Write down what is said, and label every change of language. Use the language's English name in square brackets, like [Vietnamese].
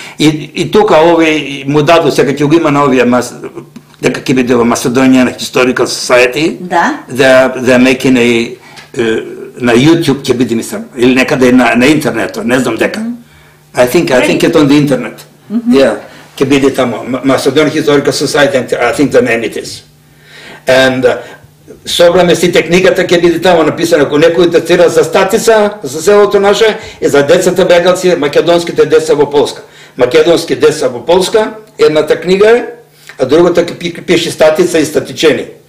[Macedonian] И тука овие, му даду, сега ќе го има на овие дека ќе биде во Macedonian Historical Society, да. [English] They're making a, [Macedonian] на YouTube ќе биде, мислам, или некаде на интернет, не знам дека. [English] Mm-hmm. I think it's on the internet. Mm-hmm. [Macedonian] Yeah, ќе биде тамо. [English] Macedonian Historical Society, I think the name it is. [Macedonian] And собраме сите книгата, ќе биде тамо написано, ако некој интересира за Статица, за селото наше, и за децата бегалци, македонските деца во Полска. Македонски деца во Полска, едната книга е, а другата пише Статица и Статичени.